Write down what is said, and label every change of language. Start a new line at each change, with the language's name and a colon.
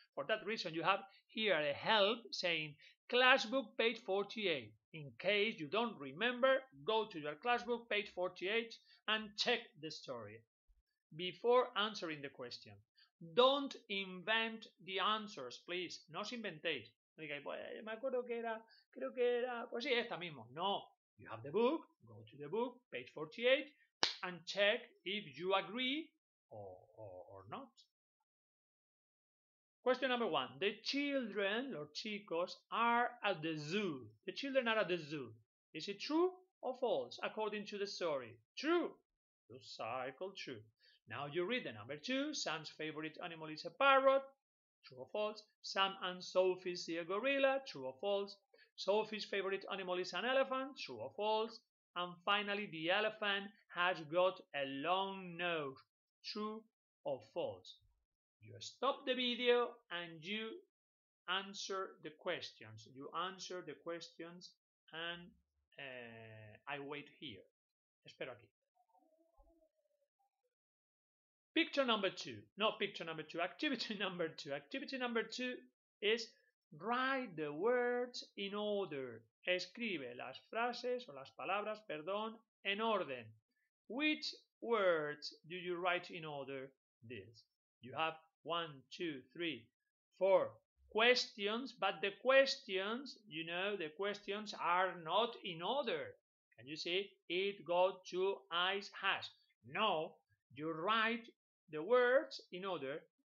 English: For that reason, you have here a help saying classbook page 48. In case you don't remember, go to your classbook page 48 and check the story before answering the question. Don't invent the answers, please.
Spanish: No os inventéis. No digáis, pues me acuerdo que era, creo que era, pues sí, esta mismo.
English: No, you have the book, go to the book, page 48, and check if you agree or not. Question number 1. The children,
Spanish: los chicos,
English: are at the zoo. The children are at the zoo. Is it true or false according to the story? True. The circle true. Now you read the number 2. Sam's favorite animal is a parrot. True or false? Sam and Sophie see a gorilla. True or false? Sophie's favorite animal is an elephant. True or false? And finally, the elephant has got a long nose. True or false? You stop the video and you answer the questions. You answer the questions and I wait here.
Spanish: Espero aquí.
English: Picture number 2. Not picture number 2. Activity number 2. Activity number 2 is write the words in order.
Spanish: Escribe las frases o las palabras, perdón, en orden.
English: Which words do you write in order? This. You have 1, 2, 3, 4 questions, but the questions, you know, the questions are not in order. Can you see? It got two eyes has. No, you write the words in order.